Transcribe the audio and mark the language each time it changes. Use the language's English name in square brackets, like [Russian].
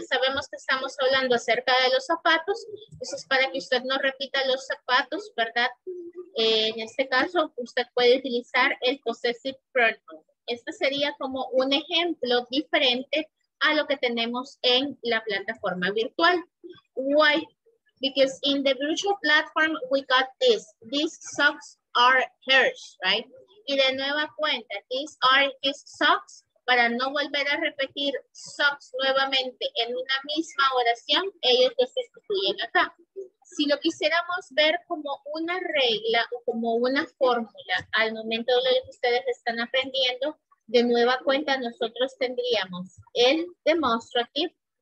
[Spanish] Ya sabemos que estamos hablando acerca de los zapatos. Eso es para que usted no repita los zapatos, ¿verdad? En este caso, usted puede utilizar el possessive pronoun. Este sería como un ejemplo diferente a lo que tenemos en la plataforma virtual. [English] Why? Because in the virtual platform, we got this. These socks are hers, right? [Spanish] Y de nueva cuenta, [English] these are his socks. [Spanish] Para no volver a repetir socks nuevamente en una misma oración, ellos lo sustituyen acá. Si lo quisiéramos ver como una regla o como una fórmula al momento de lo que ustedes están aprendiendo, de nueva cuenta nosotros tendríamos el demonstrative.